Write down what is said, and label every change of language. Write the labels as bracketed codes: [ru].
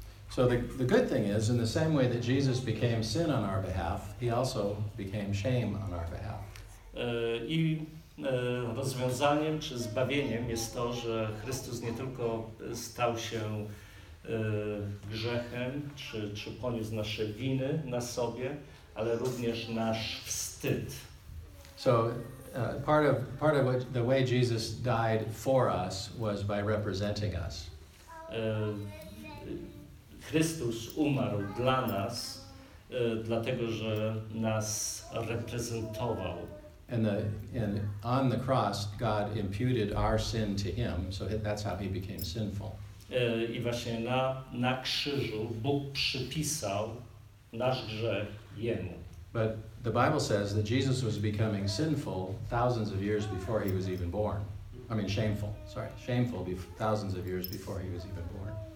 [en] So the good thing is, in the same way that Jesus became sin on our behalf, he also became shame on our behalf. [pl] I rozwiązaniem czy zbawieniem jest to, że Chrystus nie tylko stał się grzechem, czy poniósł nasze winy na sobie, ale również nasz wstyd. [en] So part of what, the way Jesus died for us was by representing us. [pl] Chrystus umarł dla nas, dlatego że nas reprezentował. [en] And on the cross, God imputed our sin to him, so that's how he became sinful. [pl] I właśnie na krzyżu Bóg przypisał nasz grzech jemu. [en] But the Bible says that Jesus was becoming sinful thousands of years before he was even born. I mean shameful, sorry, shameful thousands of years before he was even born.